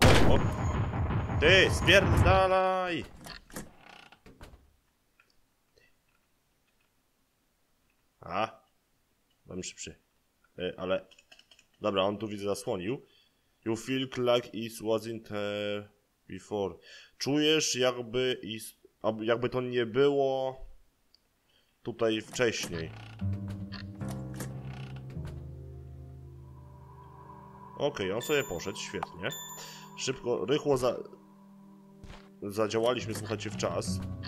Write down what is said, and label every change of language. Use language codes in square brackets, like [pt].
[pl] O! Ty, spierdalaj! A? Mam szybszy. Ale... Dobra, on tu widzę zasłonił. [en] You feel like it wasn't before. [pl] Czujesz jakby jakby to nie było tutaj wcześniej. Okej, okay, on sobie poszedł, świetnie. Szybko, rychło zadziałaliśmy, słuchajcie, w czas.